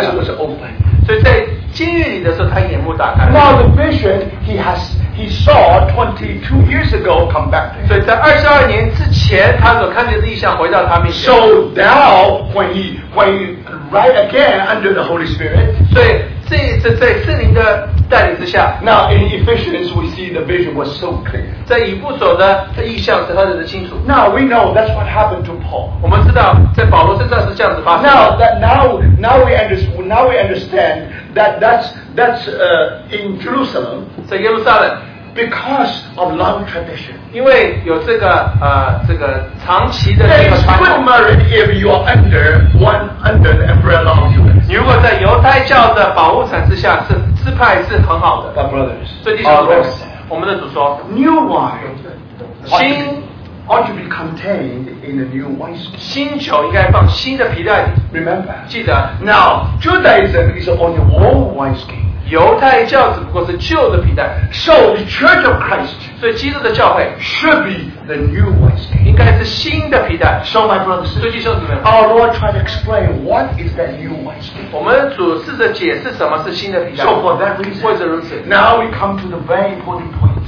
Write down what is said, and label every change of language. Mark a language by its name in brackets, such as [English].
[English] Then in the prison, his eyes was open. Now the vision he saw 22 years ago come back to him. So now, when he right again under the Holy Spirit, now in Ephesians, we see the vision was so clear. [Chinese] 在以弗所的意象是他的清楚. [English] Now we know that's what happened to Paul. [Chinese] 我们知道在保罗身上是这样子发生. [English] Now we understand that that's in Jerusalem. [Chinese] 在耶路撒冷. [English] Because of long tradition. [Chinese] 因为有这个长期的传统. [English] It's good merit if you are under the umbrella of Judaism. [Chinese] 如果在犹太教的保护伞之下是 [English] But brothers, [Chinese] 所以弟兄姊妹们, [English] our Lord said, new wine [Chinese] 新, [English] ought to be contained in a new wineskin. [Chinese] 新酒应该放新的皮袋里。 [English] Remember, [Chinese] 记得, [English] now, Judaism is only old wineskin. [Chinese] 犹太教只不过是旧的皮带。 [English] So the Church of Christ, [Chinese] 所以基督的教会 [English] should be the new wineskin, [Chinese] 应该是新的皮带。 [English] So my brothers, [Chinese] 所以弟兄姊妹 [English] ，Our Lord tried to explain what is that new wineskin. [Chinese] 我们主试着解释什么是新的皮带。 [English] So for that reason, [Chinese] 为着如此 [English] ，Now we come to the very important point.